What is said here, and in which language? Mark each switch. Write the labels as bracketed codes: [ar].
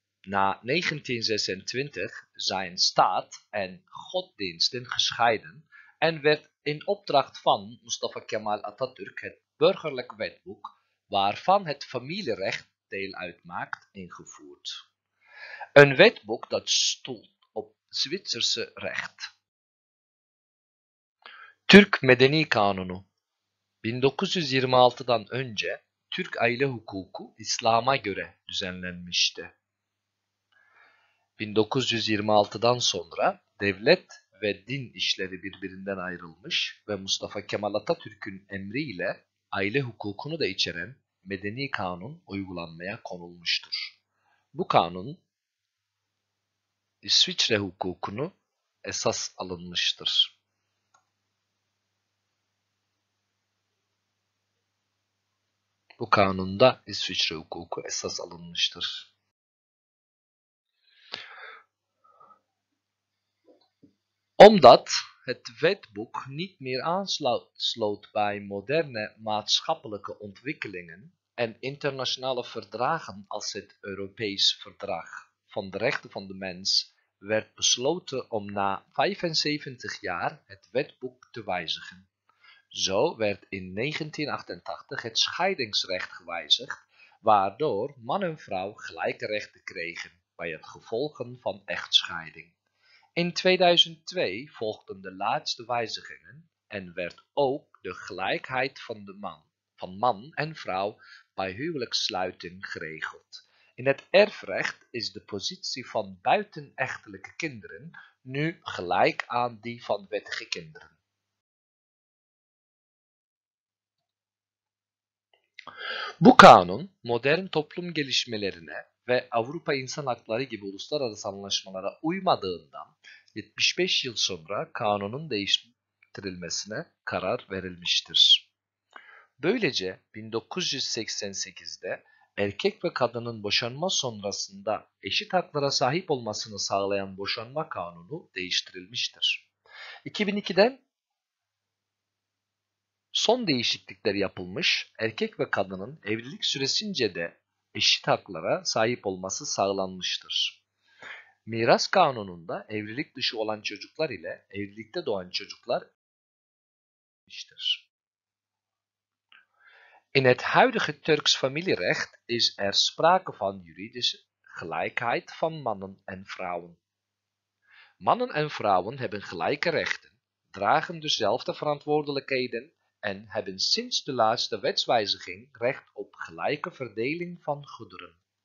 [nl] Na 1926 zijn staat en godsdiensten gescheiden en werd in opdracht van Mustafa Kemal Atatürk het burgerlijk wetboek, waarvan het familierecht deel uitmaakt, ingevoerd. Een wetboek dat stoelt op Zwitserse recht. [tr] Türk Medeni Kanunu. 1926'dan önce Türk aile hukuku İslam'a göre düzenlenmişti. 1926'dan sonra devlet ve din işleri birbirinden ayrılmış ve Mustafa Kemal Atatürk'ün emriyle aile hukukunu da içeren medeni kanun uygulanmaya konulmuştur. Bu kanun İsviçre hukukunu esas alınmıştır. Bu kanunda İsviçre hukuku esas alınmıştır. [nl] Omdat het wetboek niet meer aansloot bij moderne maatschappelijke ontwikkelingen en internationale verdragen als het Europees Verdrag van de Rechten van de Mens, werd besloten om na 75 jaar het wetboek te wijzigen. Zo werd in 1988 het scheidingsrecht gewijzigd, waardoor man en vrouw gelijke rechten kregen bij het gevolgen van echtscheiding. In 2002 volgden de laatste wijzigingen en werd ook de gelijkheid van de man en vrouw bij huwelijkssluiting geregeld. In het erfrecht is de positie van buitenechtelijke kinderen nu gelijk aan die van wettige kinderen. [tr] Bu kanun, modern toplum gelişmelerine ve Avrupa İnsan Hakları gibi uluslararası anlaşmalara uymadığından 75 yıl sonra kanunun değiştirilmesine karar verilmiştir. Böylece 1988'de erkek ve kadının boşanma sonrasında eşit haklara sahip olmasını sağlayan boşanma kanunu değiştirilmiştir. 2002'den son değişiklikler yapılmış, erkek ve kadının evlilik süresince de eşit haklara sahip olması sağlanmıştır. Miras kanununda evlilik dışı olan çocuklar ile evlilikte doğan çocuklar eşitleştirilmiştir. [nl] In het huidige Turks familierecht is er sprake van juridische gelijkheid van mannen en vrouwen. Mannen en vrouwen hebben gelijke rechten, dragen dezelfde verantwoordelijkheden en hebben sinds de laatste wetswijziging recht op gelijke verdeling van goederen.